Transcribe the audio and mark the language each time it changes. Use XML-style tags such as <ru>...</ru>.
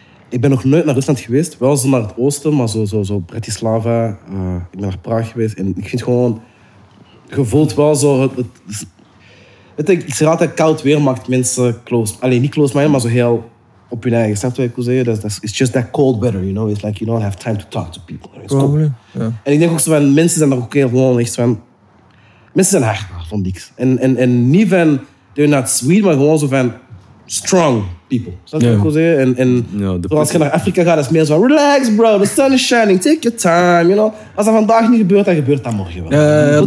<nl>Ik ben nog nooit naar Rusland geweest. Wel zo naar het oosten, maar zo Bratislava. Ik ben naar Praag geweest. En ik vind gewoon... Je voelt wel zo... Ik zeg altijd, koud weer maakt mensen close. Alleen niet close, maar zo heel op hun eigen. Snap je wat ik wil zeggen?</nl> <en>It's just that cold weather, you know? It's like you don't have time to talk to people. Probably, yeah.</en> <nl>En ik denk ook zo van, mensen zijn er ook heel gewoon echt van... Mensen zijn hard van niks. En niet van,</nl> <en>they're not sweet,</en> <nl>maar gewoon zo van...</nl> <en>Strong. people.</en> <nl>Dat is wat ik wil zeggen. En als je naar Afrika gaat, is het meer zo van</nl> <en>relax bro, the sun is shining, take your time. You know?</en> <nl>Als dat vandaag niet gebeurt, dan gebeurt dat morgen wel.</nl>